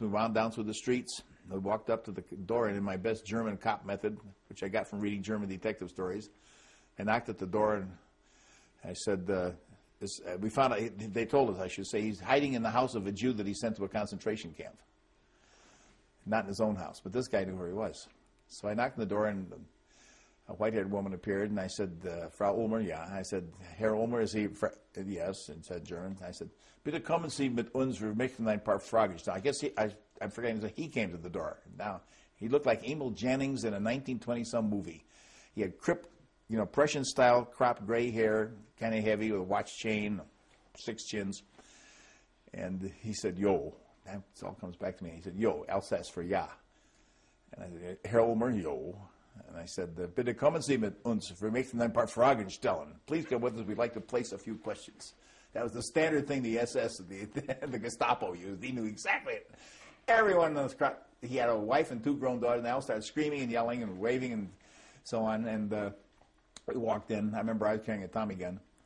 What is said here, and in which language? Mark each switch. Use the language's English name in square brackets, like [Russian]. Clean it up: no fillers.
[English] We wound down through the streets. We walked up to the door, and in my best German cop method, which I got from reading German detective stories, I knocked at the door, and I said, we found out, they told us, I should say, he's hiding in the house of a Jew that he sent to a concentration camp. Not in his own house, but this guy knew where he was. So I knocked on the door, and a white-haired woman appeared, and I said, Frau Ulmer, yeah. I said, Herr Ulmer, is he? Yes, in said German. [German] I said, bitte kommen Sie mit uns, wir möchten ein paar Fragen. [English] So I guess I'm forgetting, so he came to the door. Now, he looked like Emil Jannings in a 1920-some movie. He had Prussian-style cropped gray hair, kind of heavy, with a watch chain, six chins. And he said, yo. That all comes back to me. He said, yo, Alsace for ja. And I said, Herr Ulmer, yo. [German] And I said, bitte kommen Sie mit uns, wir möchten ein paar Fragen stellen. [English] Please come with us, we'd like to place a few questions. That was the standard thing the SS, the Gestapo used. He knew exactly it. Everyone in this crowd, he had a wife and two grown daughters, and they all started screaming and yelling and waving and so on. And we walked in. I remember I was carrying a Tommy gun.